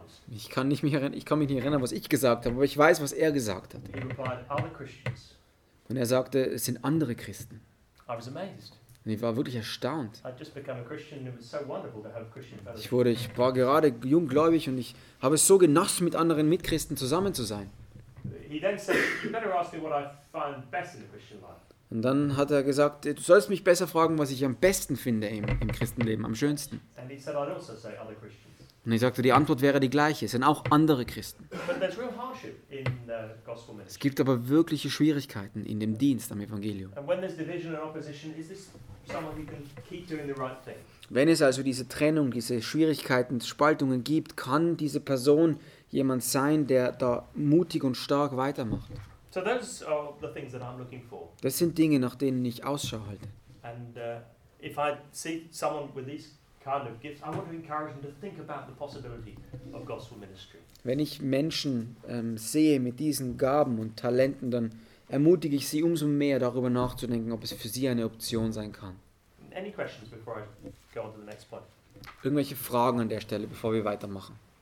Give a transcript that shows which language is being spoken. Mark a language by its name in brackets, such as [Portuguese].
[German] Ich kann mich nicht erinnern, was ich gesagt habe, aber ich weiß, was er gesagt hat. [English] He replied, other Christians. [German] Und er sagte, es sind andere Christen. [English] I was amazed. [German] Und ich war wirklich erstaunt. [English] I'd just become a Christian and it was so wonderful to have a Christian fellowship. [German] Ich war gerade junggläubig und ich habe es so genossen, mit anderen Mitchristen zusammen zu sein. [English] He then said, you better ask me what I find best in the Christian life. [German] Und dann hat er gesagt, du sollst mich besser fragen, was ich am besten finde im Christenleben, am schönsten. [English] And he said, I'd also say other Christians. [German] Und ich sagte, die Antwort wäre die gleiche, es sind auch andere Christen. [English] But there's real hardship in the gospel ministry. [German] Es gibt aber wirkliche Schwierigkeiten in dem Dienst am Evangelium. [English] And when there's division and opposition, is this someone who can keep doing the right thing? [German] Wenn es also diese Trennung, diese Schwierigkeiten, Spaltungen gibt, kann diese Person jemand sein, der da mutig und stark weitermacht. [English] So those are the things that I'm looking for. [German] Das sind Dinge, nach denen ich Ausschau halte. [English] And if I see someone with these kind of gifts, I want to encourage them to think about the possibility of gospel ministry. [German] Wenn ich Menschen sehe mit diesen Gaben und Talenten, dann ermutige ich sie umso mehr, darüber nachzudenken, ob es für sie eine Option sein kann. [English] Any questions before I go on to the next point? [German] Irgendwelche Fragen an der Stelle, bevor wir weitermachen?